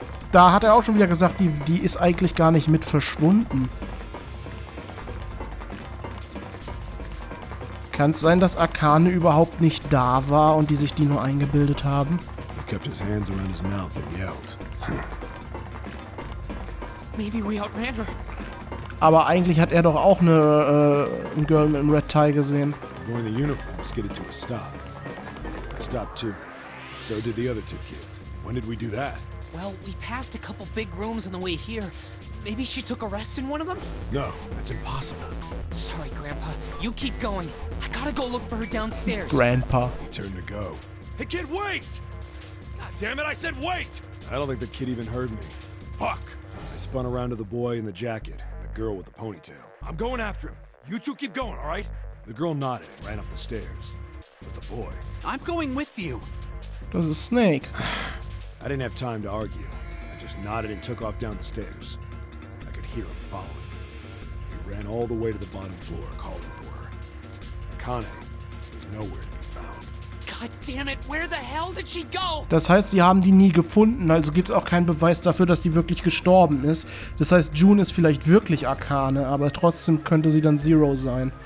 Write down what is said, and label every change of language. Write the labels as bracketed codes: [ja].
[de] Da hat er auch schon wieder gesagt, die ist eigentlich gar nicht mit verschwunden. Kann es sein, dass Akane überhaupt nicht da war und die sich die nur eingebildet haben? [en] Kept his hands around his mouth and yelled. Maybe we outran her. [de] Aber eigentlich hat doch auch eine Girl mit einem [en] red tie [de] gesehen. [en] The boy in the uniform skidded to a stop. I stopped too. So did the other two kids. When did we do that? Well, we passed a couple big rooms on the way here. Maybe she took a rest in one of them? No, that's impossible. Sorry, Grandpa. You keep going. I gotta go look for her downstairs. Grandpa. He turned to go. Hey, kid, wait! God damn it, I said wait! I don't think the kid even heard me. Fuck! I spun around to the boy in the jacket and the girl with the ponytail. I'm going after him. You two keep going, all right? The girl nodded and ran up the stairs. But the boy... I'm going with you. It was a snake. I didn't have time to argue. I just nodded and took off down the stairs. I could hear him following me. He ran all the way to the bottom floor, calling for her. Akane was nowhere to be found. God damn it, where the hell did she go? [de] Das heißt, sie haben die nie gefunden, also gibt es auch keinen Beweis dafür, dass die wirklich gestorben ist. Das heißt, June ist vielleicht wirklich Akane, aber trotzdem könnte sie dann Zero sein.